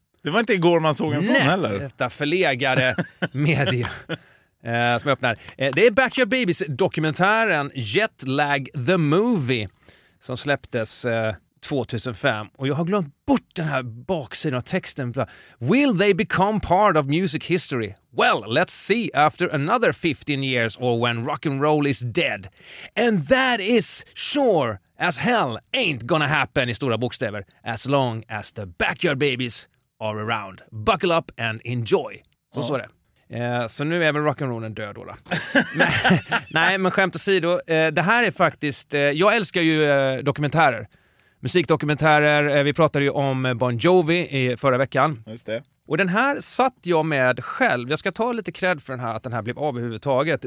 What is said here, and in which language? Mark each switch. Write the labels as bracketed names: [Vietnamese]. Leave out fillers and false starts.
[Swedish] Det var inte igår man såg en sån heller. Nej, detta förlegade media. som jag öppnar. Det är Backyard Babies-dokumentären Jetlag the Movie som släpptes 2005. Och jag har glömt bort den här baksidan av texten. [English] Will they become part of music history? Well, let's see after another 15 years or when rock and roll is dead. And that is sure as hell ain't gonna happen [Swedish] i stora bokstäver [English] as long as the Backyard Babies are around. Buckle up and enjoy. [Swedish] Så står det. Så nu är väl rock'n'rollen död då. Nej, men skämt åsido, det här är faktiskt, jag älskar ju dokumentärer, musikdokumentärer. Vi pratade ju om Bon Jovi i förra veckan. Just det. Och den här satt jag med själv. Jag ska ta lite cred för den här, att den här blev av överhuvudtaget.